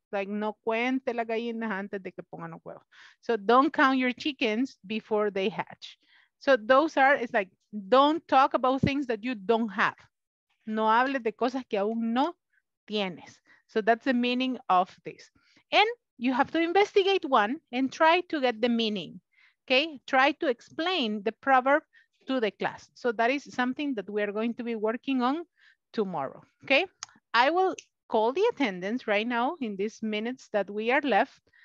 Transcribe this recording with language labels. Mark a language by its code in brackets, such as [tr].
[es] Like, no cuente la gallina antes de que pongan los huevos. [en] So don't count your chickens before they hatch. So those are, it's like, don't talk about things that you don't have. [es] No hables de cosas que aún no tienes. [en] So that's the meaning of this. And you have to investigate one and try to get the meaning, okay? Try to explain the proverb to the class. So that is something that we are going to be working on tomorrow, okay? I will call the attendance right now in these minutes that we are left.